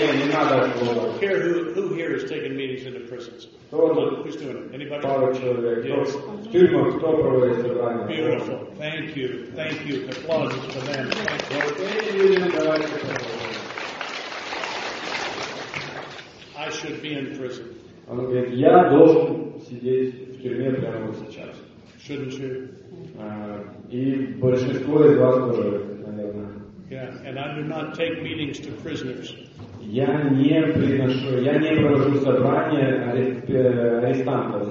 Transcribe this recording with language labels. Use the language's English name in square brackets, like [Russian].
[English] Who here has taken meetings into prisons? Who's doing it? Anybody? [Russian] Пару человек. Yes. В тюрьмах кто проводит собрания? [English] Beautiful. Thank you. Thank you. Applause for them. Thank you. I should be in prison. [Russian] Он говорит, я должен сидеть в тюрьме прямо вот сейчас. [English] Shouldn't you? [Russian] И большинство из вас тоже, наверное. [English] Yeah, and I do not take meetings to prisoners. [Russian] Я не провожу собрания арестантов.